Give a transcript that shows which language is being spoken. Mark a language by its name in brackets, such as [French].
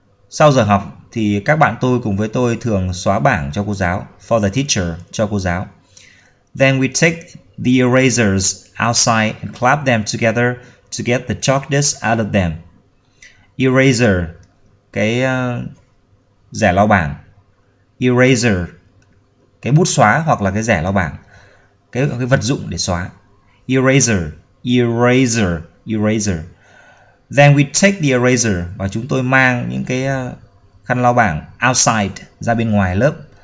[Vietnamese] Sau giờ học thì các bạn tôi cùng với tôi thường xóa bảng cho cô giáo, [English] for the teacher, [Vietnamese] cho cô giáo. [English] Then we take the erasers outside and clap them together to get the chalk dust out of them. [Vietnamese] Eraser, cái rẻ lau bảng. Eraser, cái bút xóa hoặc là cái rẻ lau bảng, cái vật dụng để xóa. [English] Eraser, eraser, eraser. Then we take the eraser [Vietnamese] và chúng tôi mang những cái khăn lau bảng [English] outside, [Vietnamese] ra bên ngoài lớp.